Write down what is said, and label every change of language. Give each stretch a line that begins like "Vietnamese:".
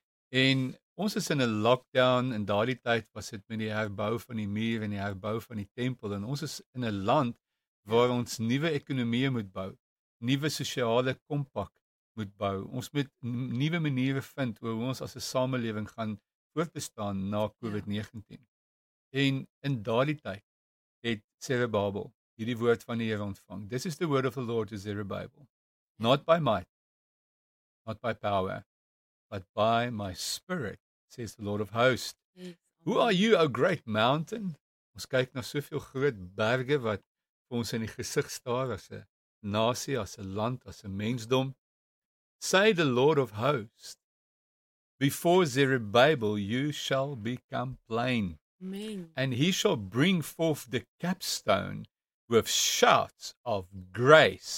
Afrikaans: En ons is in 'n lockdown en daardie tyd was dit met die herbou van die muur en die herbou van die tempel en ons is in 'n land waar ons nuwe ekonomie moet bou, nuwe sosiale kompak moet bou. Ons moet nuwe maniere vind oor hoe ons as 'n samelewing gaan voortbestaan na COVID-19. En in daardie tyd het Zerubbabel hierdie woord van die Here ontvang.
English: This is the word of the Lord to Zerubbabel. Not by might, not by power, but by my spirit, says the Lord of hosts. Who are you, O great mountain?
Afrikaans: Ons kyk na soveel groot berge wat vir ons in die gesig staar as 'n nasie, as 'n land, as 'n mensdom.
English: Say the Lord of hosts, before Zerubbabel you shall become plain. Amen. And he shall bring forth the capstone with shouts of grace.